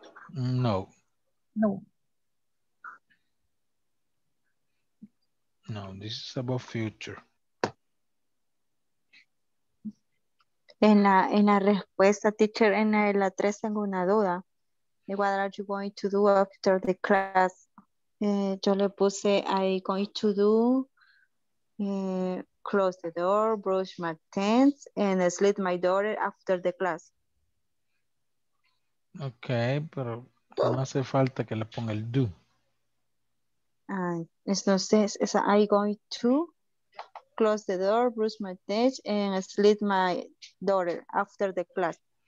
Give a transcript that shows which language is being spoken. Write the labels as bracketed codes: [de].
[en] No. No. No, this is about future. [es] En la respuesta, teacher, en la 3 tengo una duda. [en] What are you going to do after the class? [es] Yo le puse, [en] I'm going to do close the door, brush my teeth, and sleep my daughter after the class. [es] Okay, pero no hace falta que le ponga el do. Entonces, es [en] I going to close the door, brush my teeth, and sleep my daughter after the class.